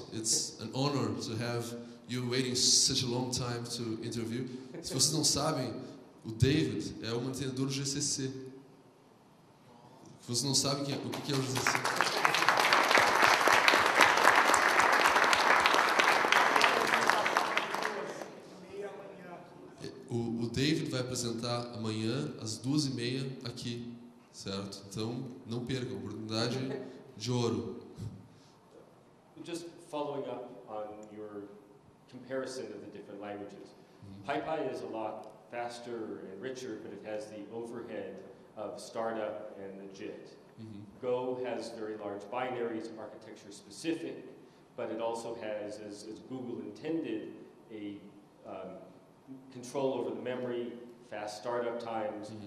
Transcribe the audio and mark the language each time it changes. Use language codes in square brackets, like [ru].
[en] It's an honor to have you waiting such a long time to interview. [pt] Se vocês não sabem, o David é o mantenedor do GCC. Vocês não sabem o que é o GCC. O David vai apresentar amanhã às 14h30 aqui. Certo, então não perca a oportunidade de ouro. [en] Just following up on your comparison of the different languages, PyPy is a lot faster and richer, but it has the overhead of startup and the JIT. Go has very large binaries, architecture specific, but it also has, as Google intended, a control over the memory, fast startup times.